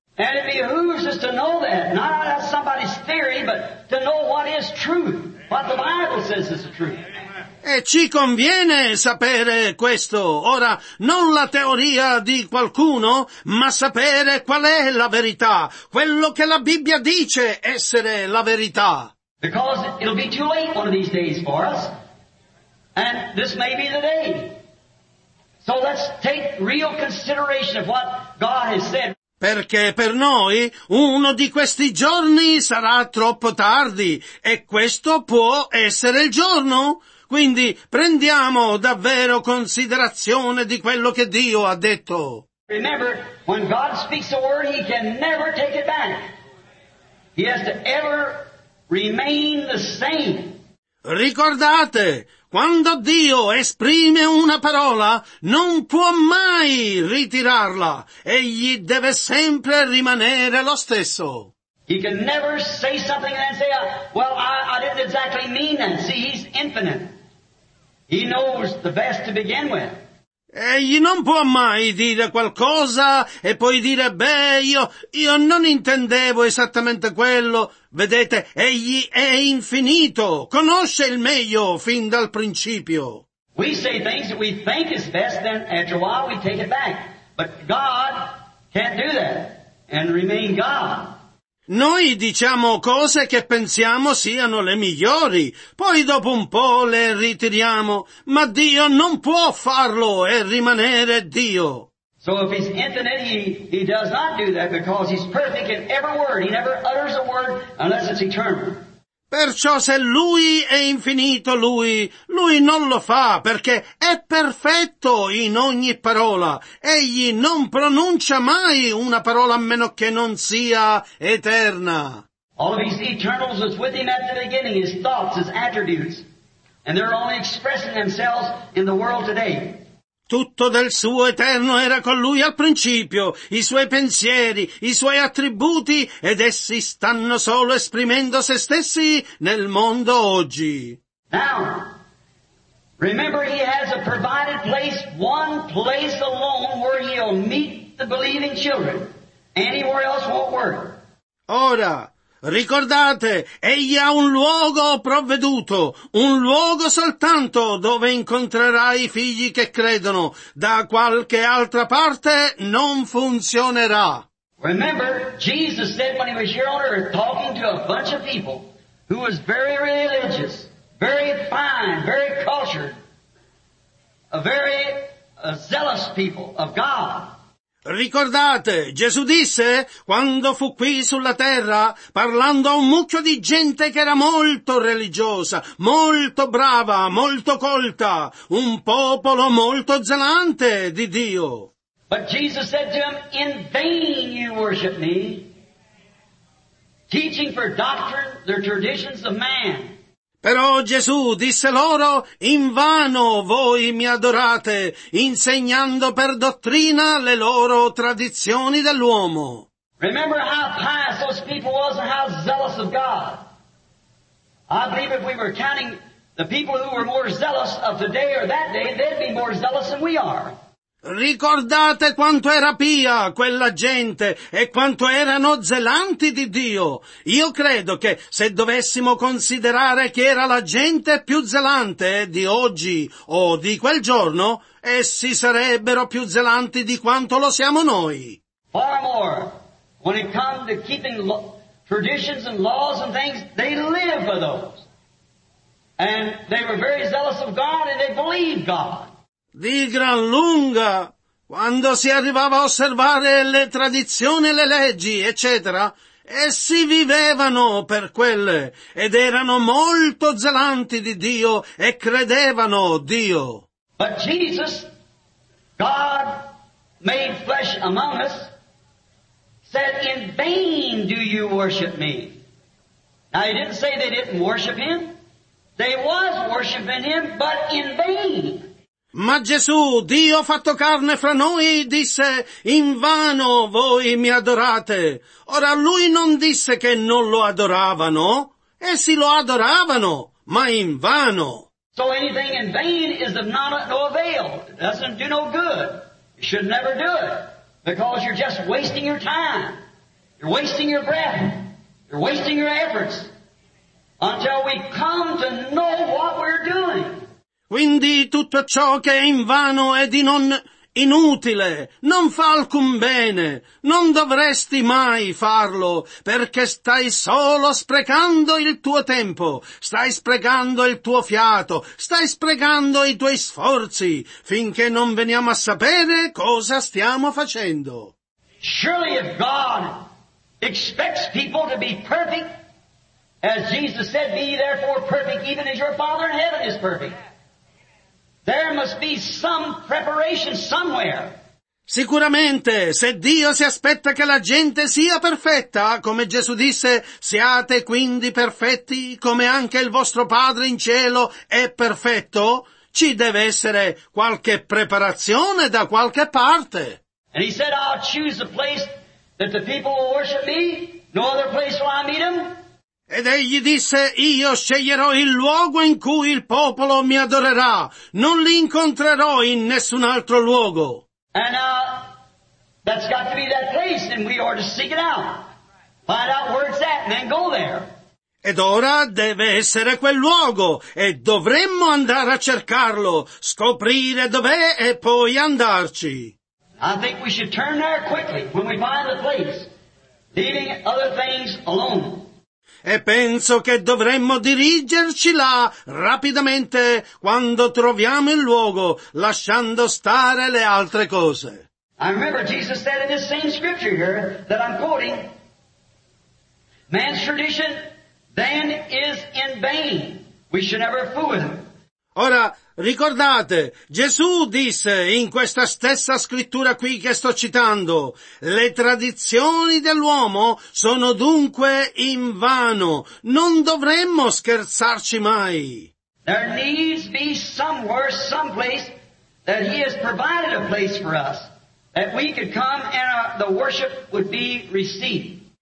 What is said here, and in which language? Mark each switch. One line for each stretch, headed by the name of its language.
English: And it behooves us to know that, not as somebody's theory, but to know what is truth, what the Bible says is the truth.
Italian: E ci conviene sapere questo. Ora, non la teoria di qualcuno, ma sapere qual è la verità, quello che la Bibbia dice essere la verità.
English: Because it'll be too late one of these days for us. And this may be the day. So let's take real consideration of what God has said.
Italian: Perché per noi uno di questi giorni sarà troppo tardi, e questo può essere il giorno. Quindi prendiamo davvero considerazione di quello che Dio ha detto.
English: Remember, when God speaks a word, he can never take it back. He has to ever remain the same.
Italian: Ricordate, quando Dio esprime una parola, non può mai ritirarla. Egli deve sempre rimanere lo stesso.
English: He can never say something and say, well, I didn't exactly mean that. See, he's infinite. He knows the best to begin with.
Italian: Egli non può mai dire qualcosa e poi dire, beh, io non intendevo esattamente quello. Vedete, egli è infinito, conosce il meglio fin dal principio.
English: We say things that we think is best, then after a while we take it back. But God can't do that and remain God.
Italian: Noi diciamo cose che pensiamo siano le migliori, poi dopo un po' le ritiriamo, ma Dio non può farlo e rimanere Dio.
English: So if he's infinite, he does not do that because he's perfect in every word. He never utters a word unless it's eternal.
Italian: Perciò se lui è infinito, lui non lo fa, perché è perfetto in ogni parola. Egli non pronuncia mai una parola a meno che non sia eterna.
English: All of his eternals was with him at the beginning, his thoughts, his attributes, and they're only expressing themselves in the world today.
Italian: Tutto del suo eterno era con lui al principio, i suoi pensieri, i suoi attributi, ed essi stanno solo esprimendo se stessi nel mondo oggi.
English: Now, remember he has a provided place, one place alone where he'll meet the believing children. Anywhere else won't work.
Italian: Ora, ricordate, egli ha un luogo provveduto, un luogo soltanto dove incontrerà i figli che credono. Da qualche altra parte non funzionerà.
English: Remember, Jesus said when he was here on earth talking to a bunch of people who was very religious, very fine, very cultured, a very zealous people of God.
Italian: Ricordate, Gesù disse, quando fu qui sulla terra, parlando a un mucchio di gente che era molto religiosa, molto brava, molto colta, un popolo molto zelante di Dio.
English: But Jesus said to him, in vain you worship me, teaching for doctrine the traditions of man.
Italian: Però Gesù disse loro, invano voi mi adorate, insegnando per dottrina le loro tradizioni dell'uomo.
English: Remember how pious those people was and how zealous of God. I believe if we were counting the people who were more zealous of today or that day, they'd be more zealous than we are.
Italian: Ricordate quanto era pia quella gente e quanto erano zelanti di Dio. Io credo che se dovessimo considerare chi era la gente più zelante di oggi o di quel giorno, essi sarebbero più zelanti di quanto lo siamo noi.
English: Far more, when it comes to keeping traditions and laws and things, they live for those. And they were very zealous of God and they believed God.
Italian: Di gran lunga, quando si arrivava a osservare le tradizioni, le leggi, eccetera, essi vivevano per quelle, ed erano molto zelanti di Dio, e credevano Dio.
English: But Jesus, God made flesh among us, said, in vain do you worship me. Now he didn't say they didn't worship him. They was worshiping him, but in vain.
Italian: Ma Gesù, Dio fatto carne fra noi, disse, invano voi mi adorate. Ora lui non disse che non lo adoravano, essi lo adoravano, ma invano.
English: So anything in vain is of no avail. It doesn't do no good. You should never do it. Because you're just wasting your time. You're wasting your breath. You're wasting your efforts. Until we come to know what we're doing.
Italian: Quindi tutto ciò che è invano è di non inutile, non fa alcun bene, non dovresti mai farlo, perché stai solo sprecando il tuo tempo, stai sprecando il tuo fiato, stai sprecando i tuoi sforzi, finché non veniamo a sapere cosa stiamo facendo.
English: Surely if God expects people to be perfect, as Jesus said, be therefore perfect, even as your Father in heaven is perfect. There must be some preparation somewhere.
Italian: Sicuramente, se Dio si aspetta che la gente sia perfetta, come Gesù disse, siate quindi perfetti, come anche il vostro Padre in cielo è perfetto, ci deve essere qualche preparazione da qualche parte.
English: And he said, I'll choose a place that the people will worship me, no other place will I meet them.
Italian: Ed egli disse, io sceglierò il luogo in cui il popolo mi adorerà, non li incontrerò in nessun altro luogo.
English: And that's got to be that place, and we are to seek it out. Find out where it's at, and then go there.
Italian: Ed ora deve essere quel luogo, e dovremmo andare a cercarlo, scoprire dov'è e poi andarci.
English: I think we should turn there quickly, when we find the place, leaving other things alone.
Italian: E penso che dovremmo dirigerci là rapidamente quando troviamo il luogo, lasciando stare le altre cose.
English: I remember Jesus said in this same scripture here that I'm quoting, man's tradition then is in vain. We should never fool with him.
Italian: Ora, ricordate, Gesù disse in questa stessa scrittura qui che sto citando, le tradizioni dell'uomo sono dunque in vano, non dovremmo scherzarci mai.
English: There needs be somewhere, someplace, that he has provided a place for us, that we could come and the worship would be received.